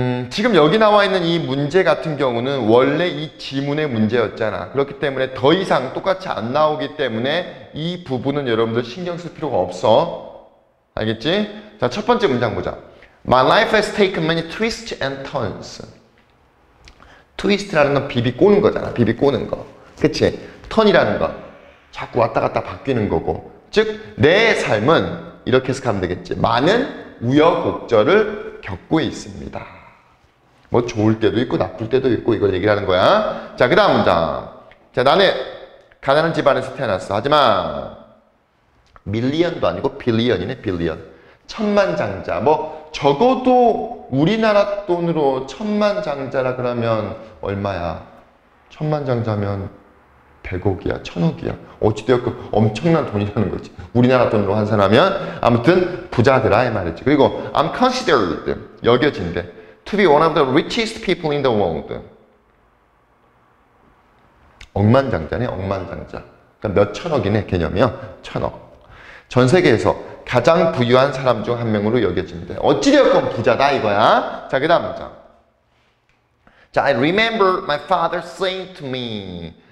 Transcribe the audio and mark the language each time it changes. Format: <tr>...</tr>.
<ko>지금 여기 나와 있는 이 문제 같은 경우는 원래 이 지문의 문제였잖아. 그렇기 때문에 더 이상 똑같이 안 나오기 때문에 이 부분은 여러분들 신경 쓸 필요가 없어. 알겠지? 자, 첫 번째 문장 보자.</ko> <en>My life has taken many twists and turns.</en> <ko>트위스트라는 건 비비 꼬는 거잖아. 비비 꼬는 거. 그치? 턴이라는 거. 자꾸 왔다 갔다 바뀌는 거고. 즉, 내 삶은 이렇게 해석하면 되겠지. 많은 우여곡절을 겪고 있습니다. 뭐 좋을 때도 있고 나쁠 때도 있고 이걸 얘기를 하는 거야. 자, 그 다음 문장. 자, 나는 가난한 집안에서 태어났어. 하지만 밀리언도 아니고 빌리언이네. 빌리언. 천만장자. 뭐 적어도 우리나라 돈으로 천만장자라 그러면 얼마야? 천만장자면 100억이야? 1000억이야? 어찌되었건 엄청난 돈이라는 거지. 우리나라 돈으로 환산하면 아무튼 부자들아 이 말이지. 그리고</ko> <en>I'm considered,</en> <ko>여겨진대.</ko> <en>To be one of the richest people in the world.</en> <ko>억만장자네, 억만장자. 그러니까 몇천억이네 개념이야. 천억. 전 세계에서 가장 부유한 사람 중 한 명으로 여겨진대. 어찌되었건 부자다 이거야. 자, 그 다음 문장. 자,</ko> <en>I remember my father saying to me.</en>